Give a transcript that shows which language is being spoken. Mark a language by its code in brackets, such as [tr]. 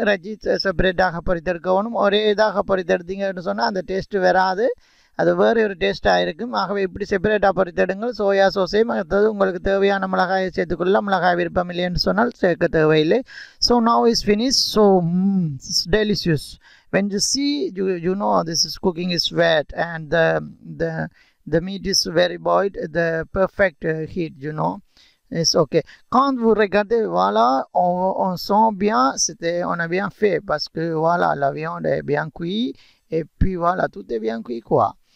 [ta] இறைச்சி செப்பரேட்டாக பொறித்தெடுக்க வேண்டும். ஒரே இதாக பொறித்தெடுத்தீங்கன்னு சொன்னால் அந்த டேஸ்ட் வராது, அது வேறு ஒரு டேஸ்ட்டாக இருக்கும். ஆகவே இப்படி செப்பரேட்டாக பொறித்தெடுங்கள். சோயா சோஸையும் அடுத்தது உங்களுக்கு தேவையான மிளகாயை சேர்த்துக்கொள்ள, மிளகாய் விருப்பம் இல்லைன்னு சொன்னால் சேர்க்க தேவையில்லை. [en] So now is finish. So it's delicious. When you see, you know this is cooking is wet, and the meat is very boiled, the perfect heat, you know. Yes, ok. [fr] Quand vous regardez, voilà, on sent bien, c'était, on a bien fait parce que voilà, la viande est bien cuite et puis voilà, tout est bien cuit, quoi.